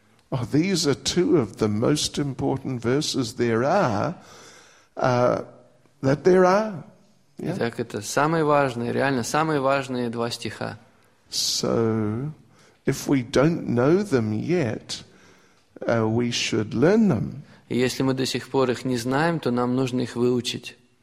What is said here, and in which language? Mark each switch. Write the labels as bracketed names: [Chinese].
[English] Oh, these are two of the most important verses there are. That there are. Yeah? [Russian] Итак, это самые важные, реально самые важные два стиха. [English] So, if we don't know them yet... we should learn them. [Russian] Если мы до сих пор их не знаем, то нам нужно их выучить.